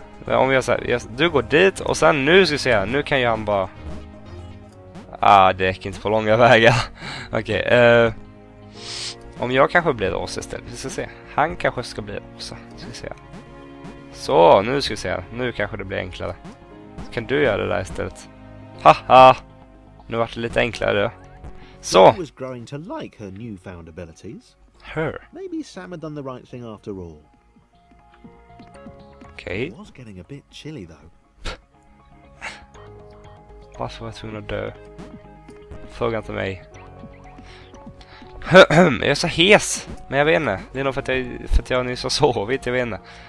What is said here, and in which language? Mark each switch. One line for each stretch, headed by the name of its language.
Swedish: Om jag säger, du går dit och sen nu ska jag säga, nu kan jag bara... det gick inte på långa vägar. Okej, om jag kanske blir rosa istället, vi ska se. Han kanske ska bli rosa, ska vi se. Så, nu ska vi se. Nu kanske det blir enklare. Så kan du göra det där istället? Haha! Nu vart det lite enklare då. Så!
English: She was growing to like her newfound abilities. Her? Maybe Sam had done the right thing after all.
Swedish: Okej.
English: It was getting a bit chilly though.
Swedish: Varför var jag tvungen att dö? Fråga inte mig. Jag är så hes! Men jag vet inte. Det är nog för att jag nyss har sovit, jag vet inte.